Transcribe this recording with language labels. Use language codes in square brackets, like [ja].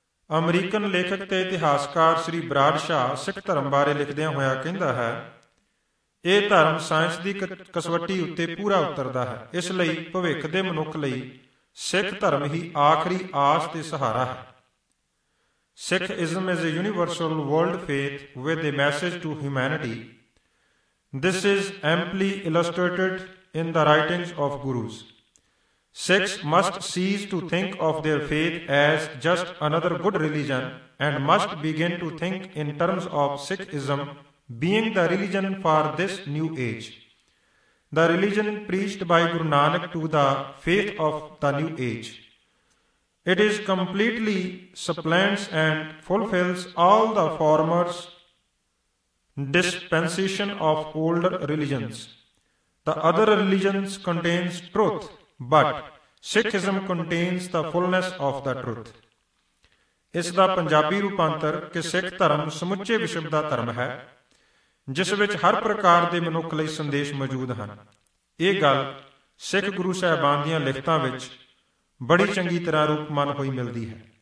[pa] American ਲੇਖਕ ਤੇ ਇਤਿਹਾਸਕਾਰ ਸ੍ਰੀ ਬਰਾਡਸ਼ਾਹ ਸਿੱਖ ਧਰਮ ਬਾਰੇ ਲਿਖਦਿਆਂ ਹੋਇਆ ਕਹਿੰਦਾ ਹੈ, ਇਹ ਧਰਮ ਸਾਇੰਸ ਦੀ ਕਸਵੱਟੀ ਉੱਤੇ ਪੂਰਾ ਉਤਰਦਾ ਹੈ, ਇਸ ਲਈ ਭਵਿੱਖ ਦੇ ਮਨੁੱਖ ਲਈ ਸਿੱਖ ਧਰਮ ਹੀ ਆਖਰੀ ਆਸ ਤੇ ਸਹਾਰਾ ਹੈ। [en] Sikhism is a universal world faith with a message to humanity. This is amply illustrated in the writings of gurus. Sikhs must cease to think of their faith as just another good religion and must begin to think in terms of Sikhism being the religion for this new age. The religion preached by Guru Nanak to the faith of the new age. It is completely supplants and fulfills all the former dispensation of older religions. The other religions contains truth, but Sikhism contains the fullness of the truth. [pa] ਇਸ ਦਾ ਪੰਜਾਬੀ ਰੂਪਾਂਤਰ ਕਿ ਸਿੱਖ ਧਰਮ ਸਮੁੱਚੇ ਵਿਸ਼ਵ ਦਾ ਧਰਮ ਹੈ ਜਿਸ ਵਿੱਚ ਹਰ ਪ੍ਰਕਾਰ ਦੇ ਮਨੁੱਖ ਲਈ ਸੰਦੇਸ਼ ਮੌਜੂਦ ਹਨ। ਇਹ ਗੱਲ ਸਿੱਖ ਗੁਰੂ ਸਾਹਿਬਾਨ ਦੀਆਂ ਲਿਖਤਾਂ ਵਿੱਚ ਬੜੀ ਚੰਗੀ ਤਰ੍ਹਾਂ ਰੂਪਮਾਨ ਹੋਈ ਮਿਲਦੀ ਹੈ।